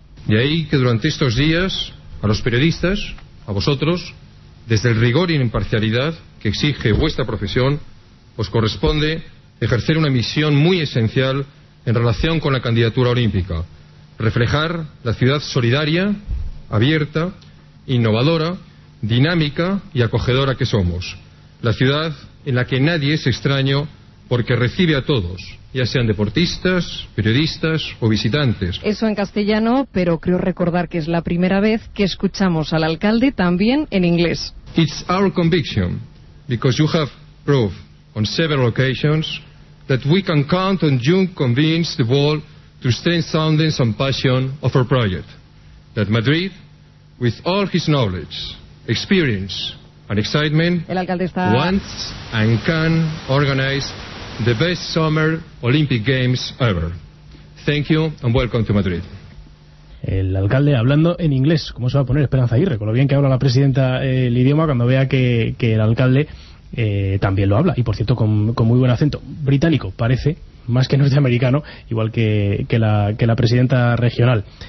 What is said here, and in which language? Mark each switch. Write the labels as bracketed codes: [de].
[es] De ahí que durante estos días, a los periodistas, a vosotros, desde el rigor y la imparcialidad que exige vuestra profesión, os corresponde ejercer una misión muy esencial en relación con la candidatura olímpica: reflejar la ciudad solidaria, abierta, innovadora, dinámica y acogedora que somos. La ciudad en la que nadie es extraño porque recibe a todos, ya sean deportistas, periodistas o visitantes. Eso en castellano, pero creo recordar que es la primera vez que escuchamos al alcalde también en inglés. [en] It's our conviction, because you have proved on several occasions that we can count on you to convince the world to stand soundness and passion of our project. That Madrid, with all his knowledge, experience and excitement, [es] el alcalde está... [en] wants and can organize the best summer Olympic Games ever. Thank you and welcome to Madrid. [es] El alcalde hablando en inglés, ¿cómo se va a poner Esperanza Aguirre? Con lo bien que habla la presidenta el idioma cuando vea que el alcalde también lo habla. Y por cierto, con muy buen acento británico, parece, más que norteamericano, igual que la presidenta regional.